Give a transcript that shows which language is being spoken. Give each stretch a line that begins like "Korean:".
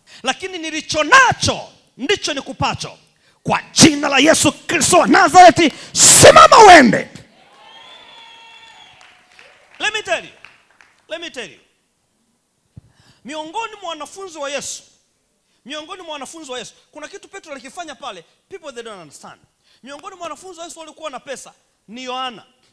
Swahili: Lakini nilicho nacho ndicho nikupacho. Kwa jina la Yesu Kristo wa Nazareti, simama uende.
English: Let me tell you.
Swahili: Miongoni mwa wanafunzi wa Yesu. Miongoni mwa wanafunzi wa Yesu. Kuna kitu Petro alikifanya pale,
English: people they don't understand.
Swahili: Miongoni mwa wanafunzi wa Yesu walikuwa na pesa ni Yohana.